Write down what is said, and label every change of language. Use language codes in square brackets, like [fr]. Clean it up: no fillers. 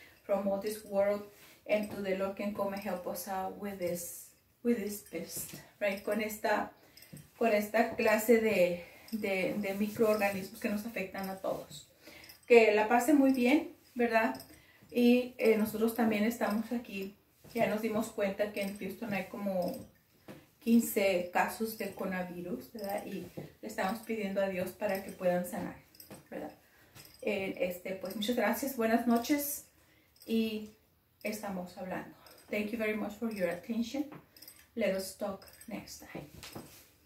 [en] From all this world, and to the Lord can come and help us out with this test, right? [es] Con esta clase de microorganismos que nos afectan a todos. Que la pase muy bien, ¿verdad? Y nosotros también estamos aquí. Ya nos dimos cuenta que en Houston hay como 15 casos de coronavirus, ¿verdad? Y le estamos pidiendo a Dios para que puedan sanar, ¿verdad? Pues muchas gracias, buenas noches. Y estamos hablando. [en] Thank you very much for your attention. Let us talk next time.